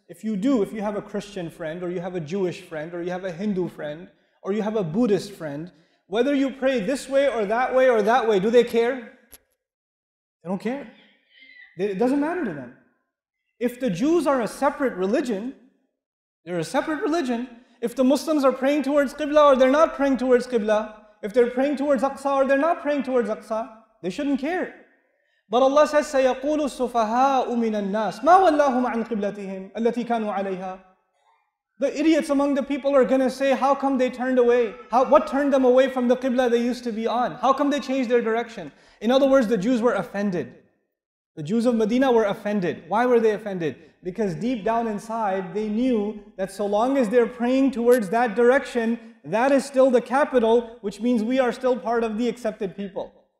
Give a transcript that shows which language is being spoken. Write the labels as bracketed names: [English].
[English] If you do, if you have a Christian friend, or you have a Jewish friend, or you have a Hindu friend, or you have a Buddhist friend, whether you pray this way or that way or that way, do they care? They don't care. It doesn't matter to them. If the Jews are a separate religion, they're a separate religion. If the Muslims are praying towards Qibla or they're not praying towards Qibla, if they're praying towards Aqsa or they're not praying towards Aqsa, they shouldn't care. But Allah says, [Arabic] سَيَقُولُ السُّفَهَاءُ مِنَ النَّاسِ مَا وَلَّاهُمْ عَنْ قِبْلَتِهِمْ أَلَّتِي كَانُوا عَلَيْهَا. [English] The idiots among the people are going to say, how come they turned away? What turned them away from the Qibla they used to be on? How come they changed their direction? In other words, the Jews were offended. The Jews of Medina were offended. Why were they offended? Because deep down inside, they knew that so long as they're praying towards that direction, that is still the capital, which means we are still part of the accepted people.